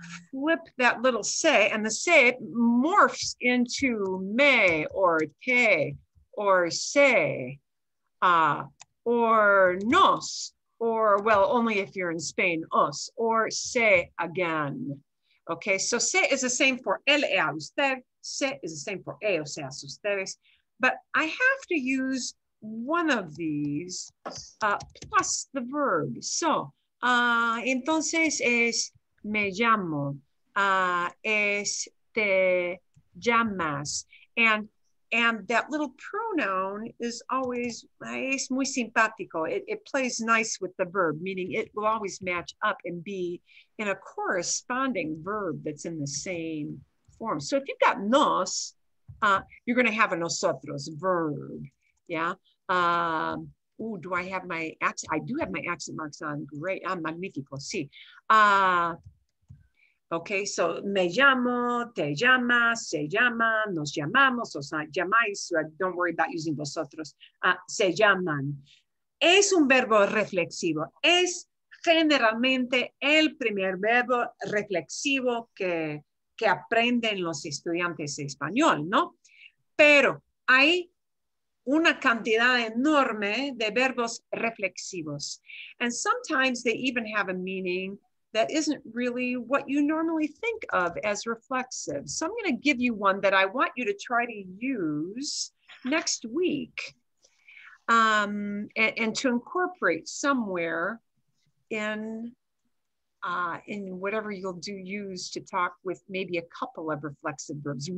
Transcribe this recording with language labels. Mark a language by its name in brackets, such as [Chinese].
[English] flip that little se, and the se morphs into me or te or se or nos, or, well, only if you're in Spain, os, or se again. Okay, so se is the same for él, ella, usted. Se is the same for ellos, ellas, ustedes. But I have to use one of these plus the verb. [Spanish] So, entonces es me llamo, es te llamas. [English] And that little pronoun is always, [Spanish] es muy simpático. [English] It plays nice with the verb, meaning it will always match up and be in a corresponding verb that's in the same form. So if you've got nos, you're gonna have a nosotros verb, yeah? Do I have my accent? I do have my accent marks on. Great, I'm magnifico, sí. [Spanish] Okay, so me llamo, te llamas, se llama, nos llamamos, os llamáis, [English] so don't worry about using [Spanish] vosotros, se llaman. Es un verbo reflexivo. Es generalmente el primer verbo reflexivo que aprenden los estudiantes de español, ¿no? Pero hay una cantidad enorme de verbos reflexivos. [English] And sometimes they even have a meaning that isn't really what you normally think of as reflexive. So I'm going to give you one that I want you to try to use next week and to incorporate somewhere in whatever you'll do use to talk with maybe a couple of reflexive verbs.